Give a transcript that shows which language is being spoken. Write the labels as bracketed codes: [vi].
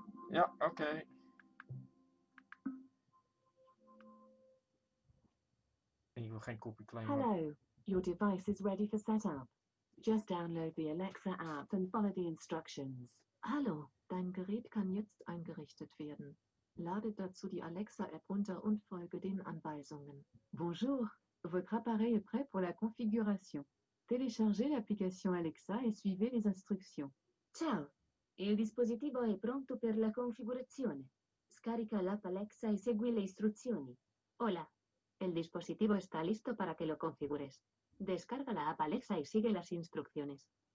[nl] Ja, oké. Okay. Ik wil geen kopje claimen. [en] Hallo, your device is ready for setup. Just download the Alexa app and follow the instructions. [de] Hallo, dein Gerät kann jetzt eingerichtet werden. Lade dazu die Alexa-App runter und folge den Anweisungen. [fr] Bonjour, votre appareil est prêt pour la configuration. Téléchargez l'application Alexa et suivez les instructions. [it] Ciao, il dispositivo è pronto per la configurazione. Scarica l'app Alexa e segui le istruzioni. [es] Hola. El dispositivo está listo para que lo configures. Descarga la app Alexa y sigue las instrucciones.